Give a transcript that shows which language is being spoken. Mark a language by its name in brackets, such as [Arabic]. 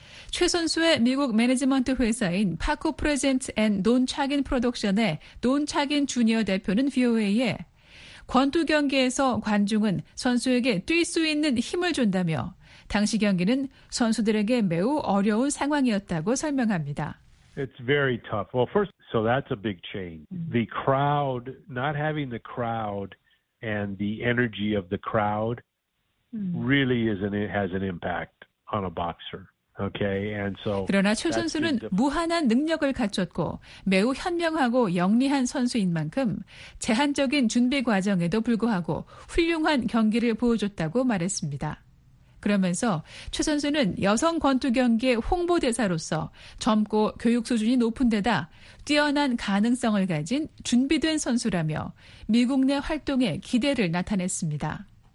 [Korean] 최 선수의 미국 매니지먼트 회사인 파코 프레젠트 앤 논 차긴 프로덕션의 논 차긴 주니어 대표는 VOA에 권투 경기에서 관중은 선수에게 뛸 수 있는 힘을 준다며 당시 경기는 선수들에게 매우 어려운 상황이었다고 설명합니다. [English] It's very tough. Well, first, so that's a big change. The crowd, not having the crowd and the energy of the crowd really has an impact on a boxer. Okay, and so. [Korean] 그러나 최 선수는 무한한 능력을 갖췄고 매우 현명하고 영리한 선수인 만큼 제한적인 준비 과정에도 불구하고 훌륭한 경기를 보여줬다고 말했습니다. 그러면서 최 선수는 여성 권투 경기의 홍보대사로서 젊고 교육 수준이 높은 데다 뛰어난 가능성을 가진 준비된 선수라며 미국 내 활동에 기대를 나타냈습니다.